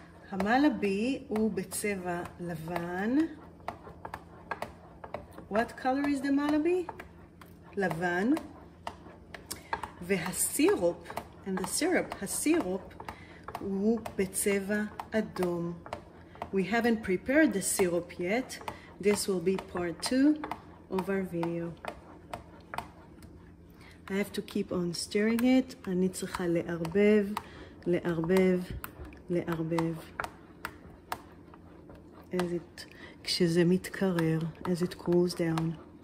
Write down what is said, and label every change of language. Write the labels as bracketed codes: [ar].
[he] המלבי הוא בצבע לבן. [en] What color is the malabi? Lavan. [he] והסירופ, [en] and the syrup, [he] הסירופ, הוא בצבע אדום. [en] We haven't prepared the syrup yet. This will be part two of our video. I have to keep on stirring it. [he] אני צריכה לערבב, לערבב, לערבב. [en] As it, [he] כשזה מתקרר, [en] as it cools down.